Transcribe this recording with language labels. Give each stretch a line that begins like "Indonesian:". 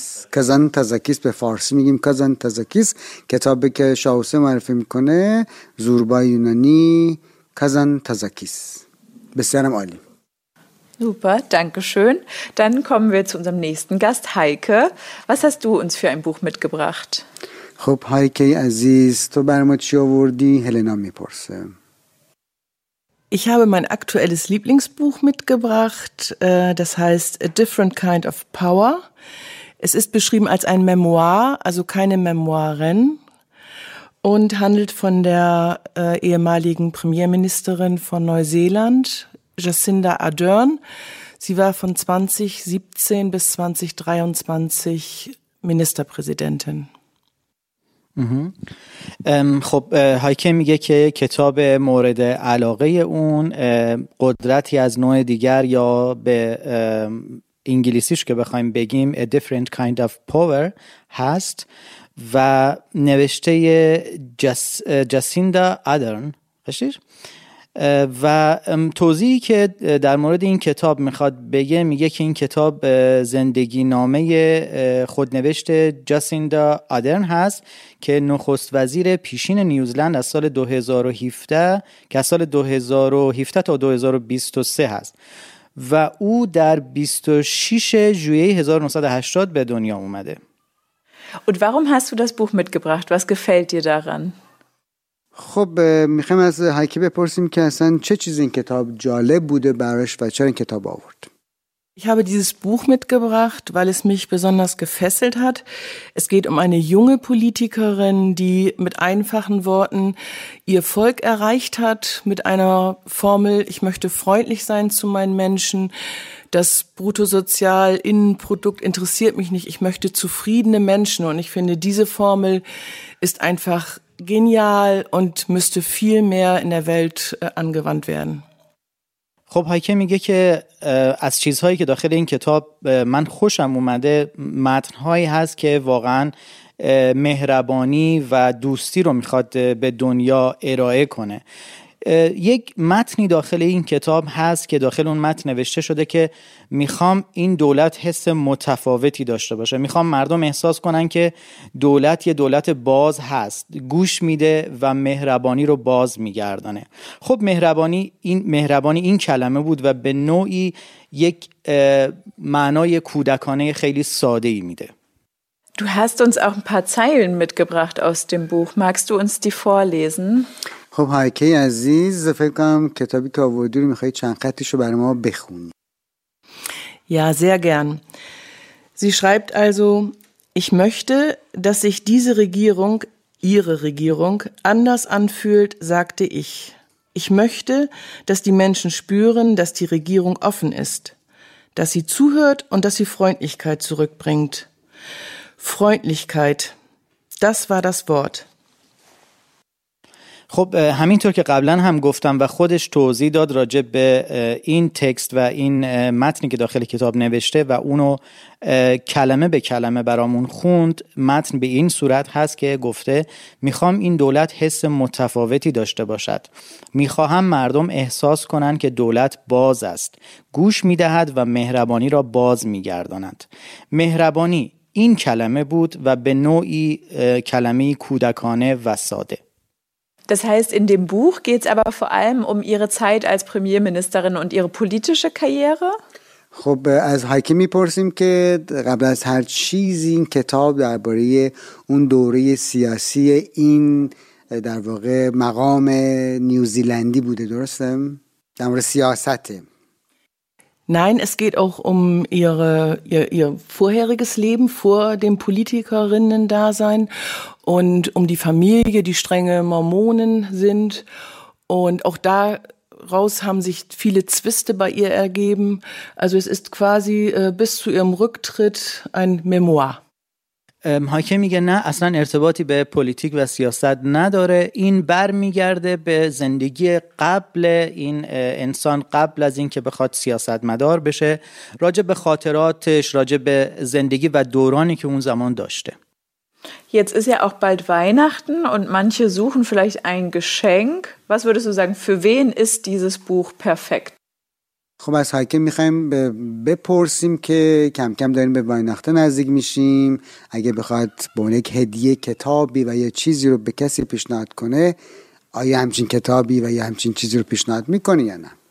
Persian: کازانتزاکیس به فارسی میگیم کازانتزاکیس کتابی که شاوسه معرفی میکنه زوربا یونانی Kazantzakis.
German: Bisher am Ali. Super, danke schön. Dann kommen wir zu unserem nächsten Gast, Heike. Was hast du uns für ein Buch mitgebracht?
Persian: خب Heike عزیز تو برام چی آوردی؟ هلنا میپرسه.
German: Ich habe mein aktuelles Lieblingsbuch mitgebracht, das heißt A Different Kind of Power. Es ist beschrieben als ein Memoir, also keine Memoiren. Und handelt von der ehemaligen Premierministerin von Neuseeland, Jacinda Ardern. Sie war von 2017 bis 2023 Ministerpräsidentin.
Persian: خب هایکه میگه که کتاب مورد علاقه اون قدرتی از نوع دیگر یا به انگلیسیش که بخوایم بگیم A Different Kind of Power هست و نوشته جاسیندا آدرن هستش و توضیحی که در مورد این کتاب میخواد بگه میگه که این کتاب زندگی نامه خودنوشت جاسیندا آدرن هست که نخست وزیر پیشین نیوزلند از سال 2017 که از سال 2017 تا 2023 هست و او در 26 ژوئیه 1980 به دنیا اومده
German: Und warum hast du das Buch mitgebracht? Was gefällt dir daran?
Persian: خب میخوایم از هایکی بپرسیم که اصلا چه چیز این کتاب جالب بوده براش و چرا این کتاب آورد؟
German: Ich habe dieses Buch mitgebracht, weil es mich besonders gefesselt hat. Es geht um eine junge Politikerin, die mit einfachen Worten ihr Volk erreicht hat, mit einer Formel, ich möchte freundlich sein zu meinen Menschen. Das Bruttosozialinnenprodukt interessiert mich nicht. Ich möchte zufriedene Menschen. Und ich finde, diese Formel ist einfach genial und müsste viel mehr in der Welt angewandt werden.
Persian: خب هایکه میگه که از چیزهایی که داخل این کتاب من خوشم اومده متنهایی هست که واقعا مهربانی و دوستی رو میخواد به دنیا ارائه کنه یک متنی داخل این کتاب هست که داخل اون متن نوشته شده که میخوام این دولت حس متفاوتی داشته باشه میخوام مردم احساس کنن که دولت یه دولت باز هست گوش میده و مهربانی رو باز میگردانه خب مهربانی این کلمه بود و به نوعی یک معنای کودکانه خیلی ساده ای میده
German: Du hast uns auch ein paar Zeilen mitgebracht aus dem Buch. Magst du uns die vorlesen?
Persian: خب هایکی عزیز فکر کنم کتابی که آوردی رو میخوایی چند خطیشو برای ما بخونی.
German: Ja, sehr gern. Sie schreibt also, ich möchte, dass sich diese Regierung, ihre Regierung, anders anfühlt, sagte ich. Ich möchte, dass die Menschen spüren, dass die Regierung offen ist, dass sie zuhört und dass sie Freundlichkeit zurückbringt. Freundlichkeit, das war das Wort.
Persian: خب همینطور که قبلا هم گفتم و خودش توضیح داد راجع به این تکست و این متنی که داخل کتاب نوشته و اونو کلمه به کلمه برامون خوند، متن به این صورت هست که گفته میخوام این دولت حس متفاوتی داشته باشد، میخواهم مردم احساس کنند که دولت باز است، گوش میدهد و مهربانی را باز میگرداند. مهربانی این کلمه بود و به نوعی کلمه کودکانه و ساده.
German: Das heißt, in dem Buch geht es aber vor allem um ihre Zeit als Premierministerin und ihre politische Karriere.
Persian: خب از هایکی میپرسیم که قبل از هر چیزی این کتاب درباره اون دوره سیاسی این در واقع مقام نیوزیلندی بوده، درسته؟ در مورد سیاست.
German: Nein, es geht auch um ihr vorheriges Leben vor dem Politikerinnen-Dasein und um die Familie, die strenge Mormonen sind. Und auch daraus haben sich viele Zwiste bei ihr ergeben. Also es ist quasi bis zu ihrem Rücktritt ein Memoir.
Persian: هایکه میگه نه، اصلا ارتباطی به پلیتیک و سیاست نداره، این بر میگرده به زندگی قبل این انسان، قبل از این که بخواد سیاست مدار بشه، راجع به خاطراتش، راجع به زندگی و دورانی که اون زمان داشته.
German: Jetzt ist ja auch bald Weihnachten und manche suchen vielleicht ein Geschenk. Was würdest du sagen, für wen ist dieses Buch perfekt?
Persian: خب از هایکه میخواییم بپرسیم که کم کم داریم به واینخته نزدیک میشیم، اگه بخواد با اون یک هدیه کتابی و یه چیزی رو به کسی پیشنهاد کنه، آیا همچین کتابی و یه همچین چیزی رو پیشنهاد میکنه یا نه؟